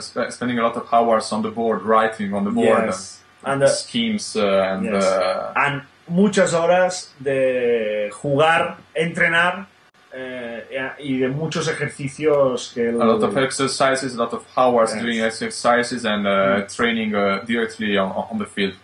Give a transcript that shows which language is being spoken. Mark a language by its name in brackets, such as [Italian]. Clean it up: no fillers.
[English] Spending a lot of hours on the board, writing on the board, yes. and schemes and yes. and [Spanish] muchas horas de jugar, entrenar, y de muchos ejercicios que [English] a lot of exercises, a lot of hours doing exercises and training directly on the field.